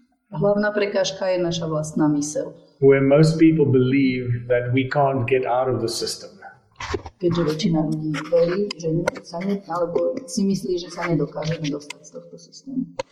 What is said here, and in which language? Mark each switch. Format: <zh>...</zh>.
<sk>Hlavná prekážka je naša vlastná myseľ.</sk> <en>Where most people believe that we can't get out of the system.</en> <sk>Keďže väčšina ľudí verí, že sa alebo si myslí, že sa nedokážeme dostať z tohto systému.</sk>